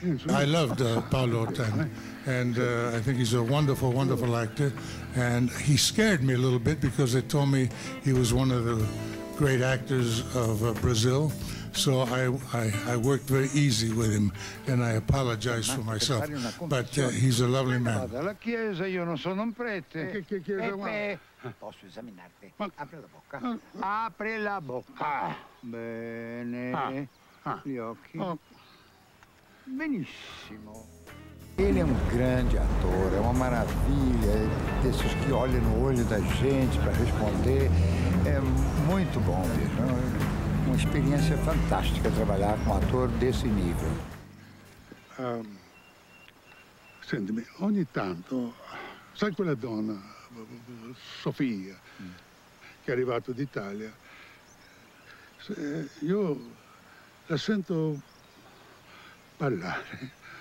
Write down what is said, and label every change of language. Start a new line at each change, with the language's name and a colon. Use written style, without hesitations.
English: I loved Paolo Tran, and I think he's a wonderful, wonderful actor. And he scared me a little bit because they told me he was one of the great actors of Brazil. So I worked very easy with him, and I apologize for myself. But he's a lovely man.
Italian: La chiesa, io non sono un prete. Che chiesa qua? Posso esaminarti? Apri la bocca. Apri la bocca. Bene. Gli occhi. Benissimo.
Portuguese: Ele é um grande ator, é uma maravilha, desses que olham no olho da gente para responder. É muito bom mesmo. É uma experiência fantástica trabalhar com um ator desse nível. Sente-me,
Italian: ogni tanto, sai quella donna, Sofia, che è arrivata d'Italia, io la sento. parlare.